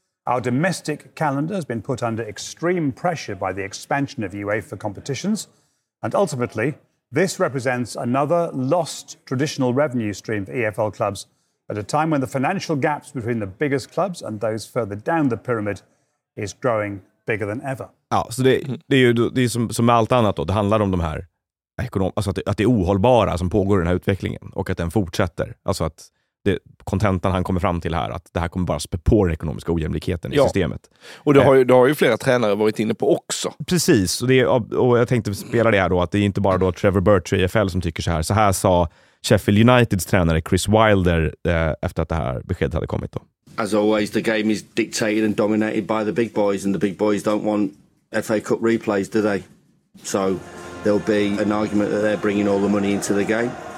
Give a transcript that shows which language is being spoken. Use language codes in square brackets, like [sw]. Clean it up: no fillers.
[en] Our domestic calendar has been put under extreme pressure by the expansion of UEFA competitions, and ultimately this represents another lost traditional revenue stream for EFL clubs at a time when the financial gaps between the biggest clubs and those further down the pyramid is growing bigger than ever. [sv] Ja, så det är ju det är som med allt annat då. Det handlar om de här alltså att det är ohållbara som pågår i den här utvecklingen och att den fortsätter. Alltså att det kontentan han kommer fram till här, att det här kommer bara spä på den ekonomiska ojämlikheten, ja, i systemet. Och det har ju flera tränare varit inne på också. Precis, och jag tänkte spela det här då, att det är inte bara då Trevor Birch i EFL som tycker så här sa Sheffield Uniteds tränare Chris Wilder efter att det här beskedet hade kommit då. [en] As always, the game is dictated and dominated by the big boys, and the big boys don't want FA Cup replays, do they? So there'll be an argument that they're bringing all the money into the game.